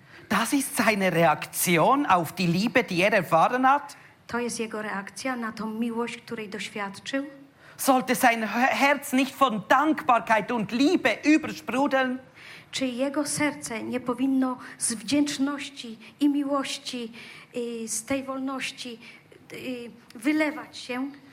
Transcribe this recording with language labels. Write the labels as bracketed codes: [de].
[de] Das ist seine Reaktion auf die Liebe, die er erfahren hat. [pl] To jest jego reakcja na tą miłość, której doświadczył. [de] Sollte sein Herz nicht von Dankbarkeit und Liebe übersprudeln? [pl] Czy jego serce nie powinno z wdzięczności i miłości, z tej wolności wylewać się?